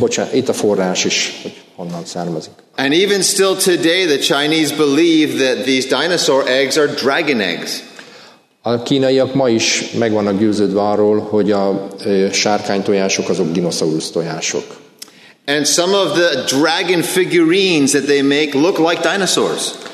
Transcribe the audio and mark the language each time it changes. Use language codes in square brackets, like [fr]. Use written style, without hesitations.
[hu] Itt a forrás is, hogy honnan származik. [en] And even still today the Chinese believe that these dinosaur eggs are dragon eggs. [hu] A kínaiak ma is meg vannak győződve arról, hogy a sárkány tojások azok dinoszaurusz tojások. [en] And some of the dragon figurines that they make look like dinosaurs.